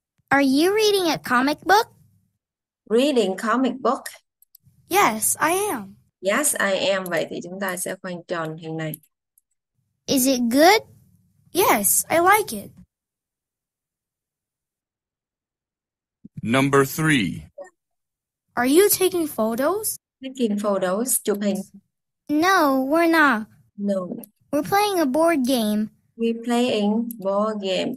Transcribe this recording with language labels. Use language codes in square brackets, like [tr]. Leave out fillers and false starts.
[en] Are you reading a comic book? Reading comic book. Yes, I am. Yes, I am. [vi] Vậy thì chúng ta sẽ khoanh tròn hình này. [en] Is it good? Yes, I like it. Number 3. Are you taking photos? Taking photos, [vi] chụp hình. [en] No, we're not. No. We're playing a board game. We're playing board game.